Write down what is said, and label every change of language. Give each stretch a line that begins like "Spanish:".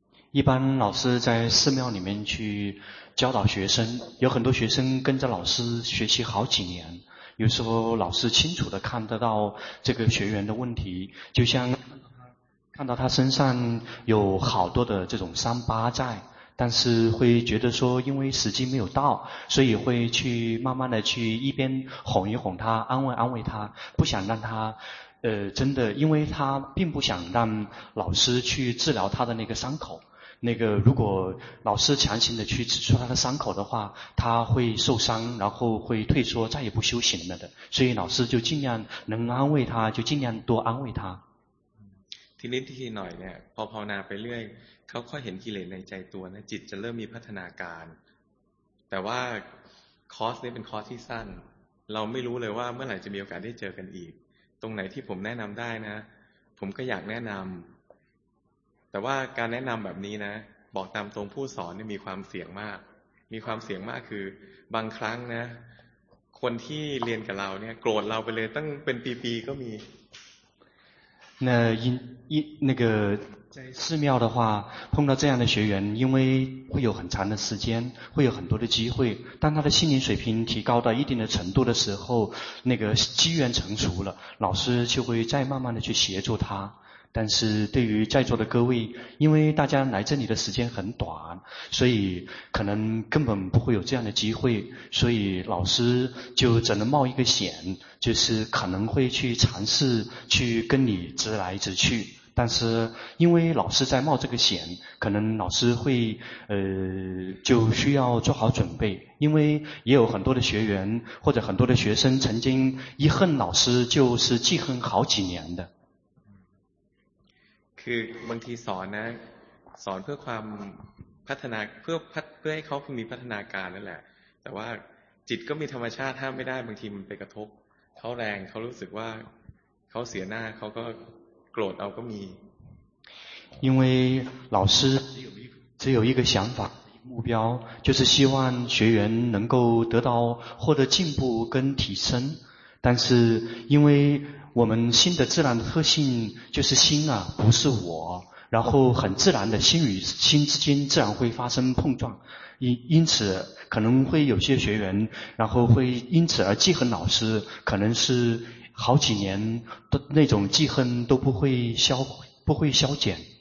Chinese: 一般老师在寺庙里面去教导学生有很多学生跟着老师学习好几年有时候老师清楚地看得到这个学员的问题就像看到他身上有好多的这种伤疤在但是会觉得说因为时机没有到所以会去慢慢的去一边哄一哄他安慰安慰他不想让他真的因为他并不想让老师去治疗他的那个伤口那个如果老师强行的去指出他的伤口的话他会受伤然后会退缩再也不修行了的所以老师就尽量能安慰他就尽量多安慰他
Thai: ทีนี้ทีหน่อยเนี่ยพอภาวนาไปเรื่อยเขาค่อยเห็นกิเลสในใจตัวนะจิตจะเริ่มมีพัฒนาการแต่ว่าคอร์สนี้เป็นคอร์สที่สั้นเราไม่รู้เลยว่าเมื่อไหร่จะมีโอกาสได้เจอกันอีกตรงไหนที่ผมแนะนำได้นะผมก็อยากแนะนำแต่ว่าการแนะนำแบบนี้นะบอกตามตรงผู้สอนเนี่ยมีความเสี่ยงมากมีความเสี่ยงมากคือบางครั้งนะคนที่เรียนกับเราเนี่ยโกรธเราไปเลยตั้งเป็นปีๆก็มี
Chinese: 那那个寺庙的话碰到这样的学员因为会有很长的时间会有很多的机会当他的心灵水平提高到一定的程度的时候那个机缘成熟了老师就会再慢慢的去协助他但是对于在座的各位因为大家来这里的时间很短所以可能根本不会有这样的机会所以老师就只能冒一个险就是可能会去尝试去跟你直来直去但是因为老师在冒这个险可能老师会就需要做好准备因为也有很多的学员或者很多的学生曾经一恨老师就是记恨好几年的
Thai: คือบางทีสอนนะสอนเพื่อความพัฒนาเพื่อให้เขามีพัฒนาการนั่นแหละแต่ว่าจิตก็มีธรรมชาติห้ามไม่ได้บางทีมันไปกระทบเขาแรงเขารู้สึกว่าเขาเสียหน้าเขาก็โกรธเอาก็มี
Chinese: 因为老师只有一个想法目标就是希望学员能够得到获得进步跟提升但是因为我们心的自然的特性就是心啊不是我然后很自然的心与心之间自然会发生碰撞因此可能会有些学员然后会因此而记恨老师可能是好几年的那种记恨都不会消减